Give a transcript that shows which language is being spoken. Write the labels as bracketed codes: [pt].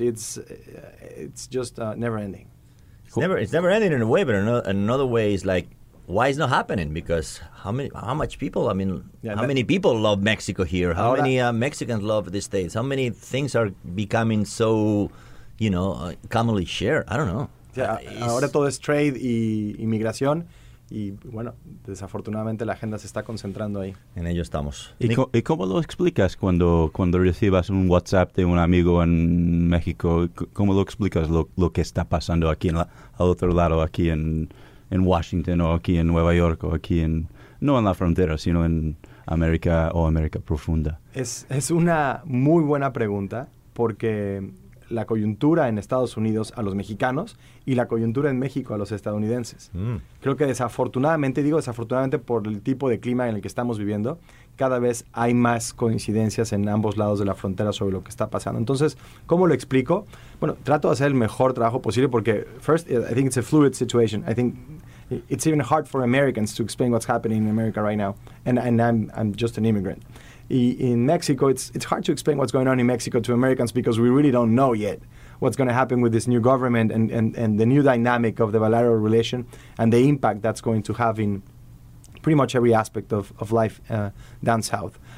[en] It's just never ending. It's never ending in a way, but another way is like, why is not happening? Because how many people love Mexico here? How many Mexicans love the States? How many things are becoming so, you know, commonly shared? I don't know. [es] Yeah, ahora todo es trade y inmigración. Y bueno, desafortunadamente la agenda se está concentrando ahí. En ello estamos. ¿Y cómo lo explicas cuando recibas un WhatsApp de un amigo en México? ¿Cómo lo explicas lo que está pasando aquí al otro lado, aquí en Washington o aquí en Nueva York o aquí en, no en la frontera, sino en América o América Profunda? Es una muy buena pregunta porque la coyuntura en Estados Unidos a los mexicanos y la coyuntura en México a los estadounidenses. Mm. Creo que desafortunadamente por el tipo de clima en el que estamos viviendo, cada vez hay más coincidencias en ambos lados de la frontera sobre lo que está pasando. Entonces, ¿cómo lo explico? Bueno, trato de hacer el mejor trabajo posible porque, [en] first, I think it's a fluid situation. I think it's even hard for Americans to explain what's happening in America right now. And I'm just an immigrant. In Mexico, it's hard to explain what's going on in Mexico to Americans because we really don't know yet what's going to happen with this new government and the new dynamic of the bilateral relation and the impact that's going to have in pretty much every aspect of life down south.